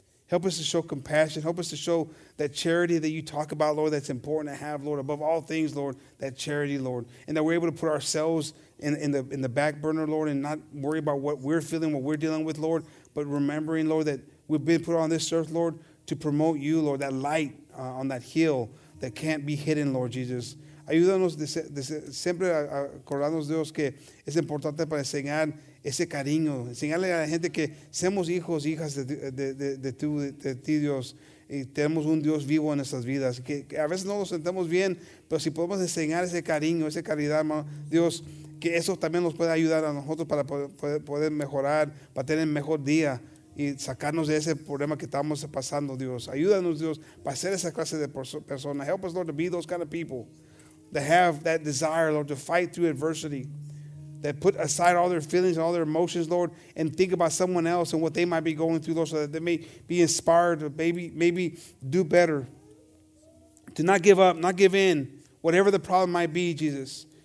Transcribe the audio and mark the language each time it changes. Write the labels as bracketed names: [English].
[English] Help us to show compassion. Help us to show that charity that you talk about, Lord, that's important to have, Lord, above all things, Lord, that charity, Lord. And that we're able to put ourselves in the back burner, Lord, and not worry about what we're feeling, what we're dealing with, Lord, but remembering, Lord, that we've been put on this earth, Lord, to promote you, Lord, that light on that hill that can't be hidden, Lord Jesus. [Spanish] Ayúdanos siempre a acordarnos, Dios, que es importante para enseñar ese cariño. Enseñarle a la gente que somos hijos, hijas de ti, Dios. Y tenemos un Dios vivo en nuestras vidas. Que a veces no lo sentamos bien, pero si podemos enseñar ese cariño, esa caridad, hermano, Dios, que eso también nos puede ayudar a nosotros para poder mejorar, para tener mejor día y sacarnos de ese problema que estamos pasando, Dios. Ayúdanos, Dios, para ser esa clase de persona. [English] Help us, Lord, to be those kind of people. That have that desire, Lord, to fight through adversity. That put aside all their feelings and all their emotions, Lord, and think about someone else and what they might be going through, Lord, so that they may be inspired or maybe do better. To not give up, not give in, whatever the problem might be, Jesus.